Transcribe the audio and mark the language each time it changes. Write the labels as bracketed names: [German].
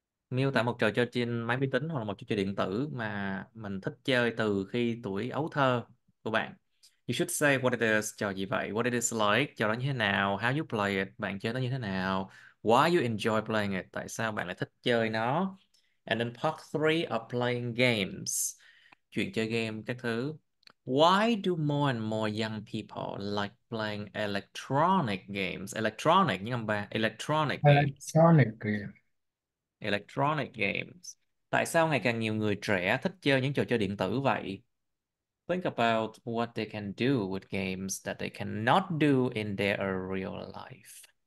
[Vietnamese] Miêu tả một trò chơi trên máy vi tính hoặc là một trò chơi điện tử mà mình thích chơi từ khi tuổi ấu thơ của bạn. [English] You should say what it is, [Vietnamese] trò gì vậy, [English] what it is like, [Vietnamese] trò đó như thế nào, [English] how you play it, [Vietnamese] bạn chơi nó như thế nào, [English] why you enjoy playing it, [Vietnamese] tại sao bạn lại thích chơi nó. [English] And then part 3 of playing games, [Vietnamese] chuyện chơi game, các thứ. [English] Why do more and more young people like playing electronic games? Electronic, [Vietnamese] nhưng mà [English] electronic games. Electronic games. Electronic games. [Vietnamese] Tại sao ngày càng nhiều người trẻ thích chơi những trò chơi điện tử vậy? [English] Think about what they can do with games that they cannot do in their real life.